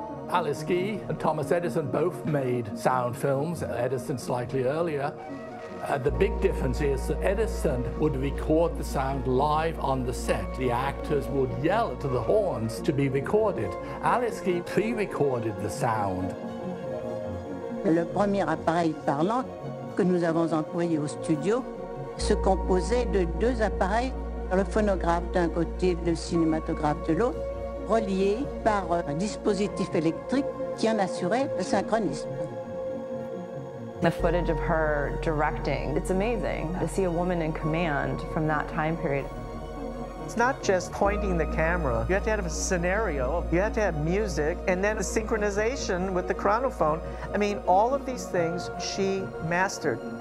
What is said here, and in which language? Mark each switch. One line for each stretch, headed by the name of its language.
English: Alice Guy and Thomas Edison both made sound films, Edison slightly earlier. The big difference is that Edison would record the sound live on the set. The actors would yell to the horns to be recorded. Alice Guy pre-recorded the sound.
French: Le premier appareil parlant que nous avons employé au studio se composait de deux appareils, le phonographe d'un côté, le cinématographe de l'autre, reliés par un dispositif électrique qui en assurait le synchronisme.
English: The footage of her directing, it's amazing to see a woman in command from that time period. It's not just pointing the camera. You have to have a scenario, you have to have music, and then the synchronization with the chronophone. I mean, all of these things she mastered.